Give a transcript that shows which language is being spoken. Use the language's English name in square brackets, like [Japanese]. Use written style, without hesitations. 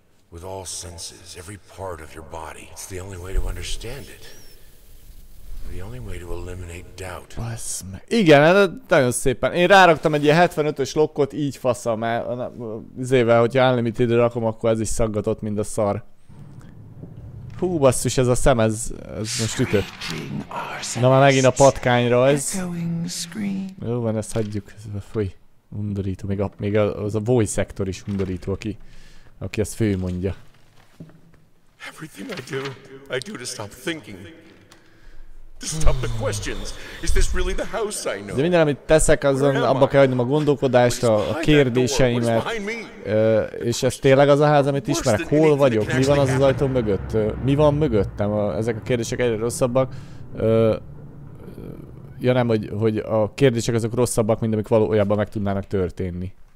[English] With all senses, every part of your body. It's the only way to understand it. The only way to eliminate doubt. [Hungarian] Baszme. Igen, nagyon szépen. Én ráraktam egy ilyen 75-ös lokkot, így faszom, mert hogyha unlimited-re rakom, akkor ez is szaggatott, mint a szar. Hú, basszus, ez a szem, ez most ütött. Na már megint a patkányra ez. Jó van, ezt hagyjuk. Fúj, undorító. Még az a voice sector is undorító, aki ezt fő mondja. [English] Everything I do to stop thinking. To stop the questions. Is this really the house I know? [Hungarian] De minden, amit teszek, azon abba kell hagynom a gondolkodást, a kérdéseimet. És ez tényleg az a ház, amit ismerek? Hol vagyok? Mi van az az ajtó mögött? Mi van mögöttem? Ezek a kérdések egyre rosszabbak. Ja nem, hogy a kérdések azok rosszabbak, mint amik valójában meg tudnának történni.